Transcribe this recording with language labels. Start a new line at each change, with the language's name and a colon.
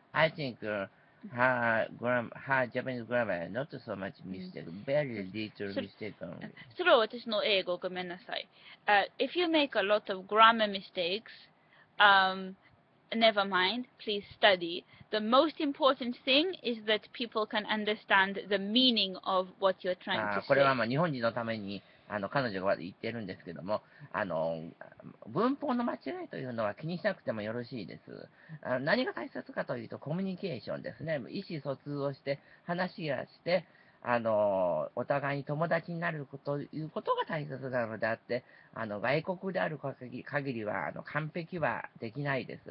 English: I think her Japanese grammar not so much mistake, very little mistake only.
Japanese: それは私の英語、ごめんなさい。
English: If you make a lot of grammar mistakes, never mind, please study. The most important thing is that people can understand the meaning of what you're trying to say.
Japanese: これはまあ日本人のために彼女が言ってるんですけども、文法の間違いというのは気にしなくてもよろしいです。何が大切かというとコミュニケーションですね。意思疎通をして話をして、お互いに友達になるということが大切なのであって、外国である限りは完璧はできないです。